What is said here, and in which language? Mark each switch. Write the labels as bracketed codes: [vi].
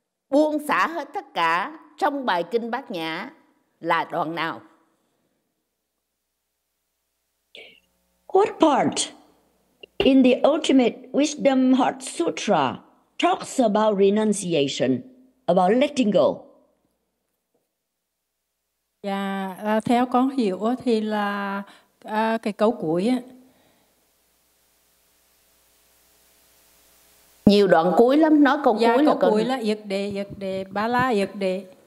[vi] Buông xả hết tất cả trong bài kinh Bát Nhã là đoạn nào? [en] What part in the Ultimate Wisdom Heart Sutra talks about renunciation, about letting go? [vi] Dạ, theo con hiểu thì là cái câu cuối á. Nhiều đoạn cuối lắm, nói câu dạ, cuối là câu cuối là yết đề, yết đề, ba la yết đề.